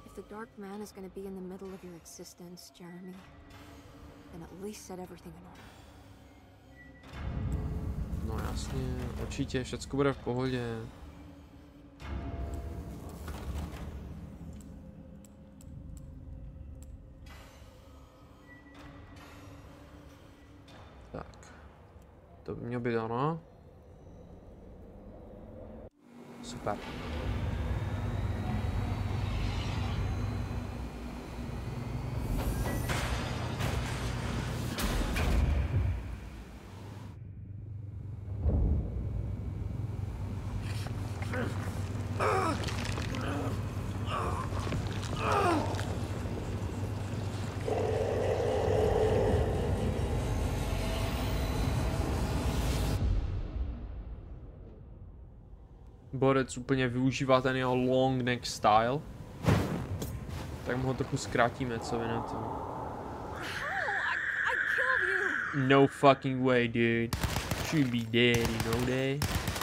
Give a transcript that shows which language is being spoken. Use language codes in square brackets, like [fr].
[en] Dark man is going to be in the middle of your existence, Jeremy. And at least set everything in order. [cs] No jasně, určitě, všecko bude v pohodě. Tak. To by mělo být ono. Super. Borec úplně využívá ten jeho [en] long neck style. [cs] Tak mu ho trochu zkrátíme, co vy na to. [en] No fucking way, dude. Should be dead, you know that.